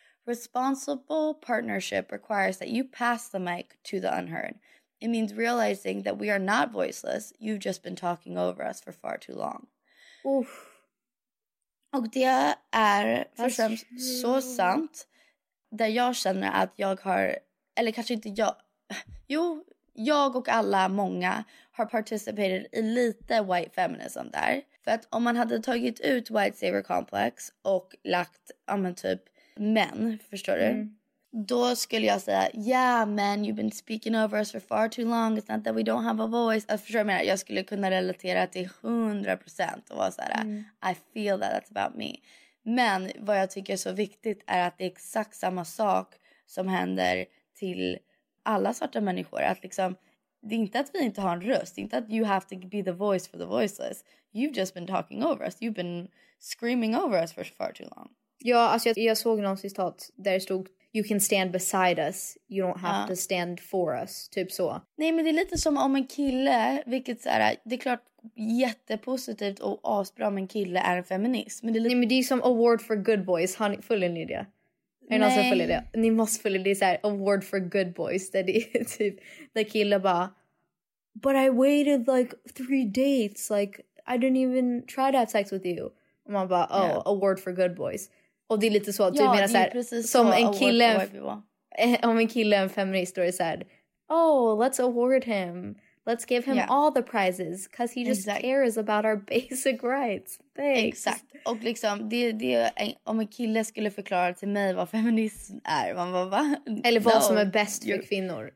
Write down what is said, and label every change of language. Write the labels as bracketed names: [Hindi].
[English] Responsible partnership requires that you pass the mic to the unheard. It means realizing that we are not voiceless. You've just been talking over us for far too long. Oof. [Swedish] Och det är förstås så sant. Där jag känner att jag har, eller kanske inte jag. Jo, jag och alla många har participated i lite white feminism där. För att om man hade tagit ut white savior complex och lagt, men, förstår du? Då skulle jag säga, [English] yeah [Swedish] men, [English] you've been speaking over us for far too long. It's not that we don't have a voice. [Swedish] Alltså, förstår du vad jag menar? Jag skulle kunna relatera till 100% och vara såhär, [English] I feel that, that's about me. [Swedish] Men vad jag tycker är så viktigt är att det är exakt samma sak som händer till alla svarta människor. Att liksom, det är inte att vi inte har en röst. Det är inte att [English] you have to be the voice for the voiceless. You've just been talking over us. You've been screaming over us for far too long. [Swedish] Ja, alltså jag såg någon citat där det stod [English] you can stand beside us, you don't have to stand for us, [Swedish] typ så. Nej, men det är lite som om en kille, vilket så här, det är klart jättepositivt och asbra om en kille är en feminist. Men det är lite... Nej, men det är som award for good boys, har ni, följer ni det? Är det någon som följer det? Ni måste följa det, så här, [English] award for good boys, [Swedish] där det är typ, där kille bara, [English] but I waited like 3 dates, like I didn't even try to have sex with you. [Swedish] Och man bara, oh, award for good boys. Och det är lite så att du menar så här, som en kille, om en kille är en feminist, då är det så här, [English] oh, let's award him. Let's give him all the prizes, because he just cares about our basic rights. Thanks. [Swedish] Exakt. Och liksom, om en kille skulle förklara till mig vad feminism är, man bara, va? Eller vad som är bäst för kvinnor.